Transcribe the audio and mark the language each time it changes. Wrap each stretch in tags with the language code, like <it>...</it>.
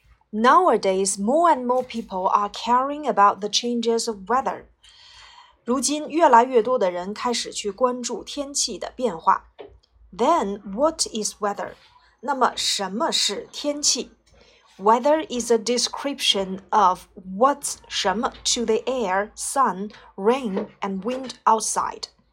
<en>Nowadays, more and more people are caring about the changes of weather.</en> <zh>如今越来越多的人开始去关注天气的变化。</zh> <en>Then, what is weather?</en> <zh>那么什么是天气？</zh> <en>Weather is a description of what's</en> <zh>什么</zh> <en>to the air, sun, rain, and wind outside.</en>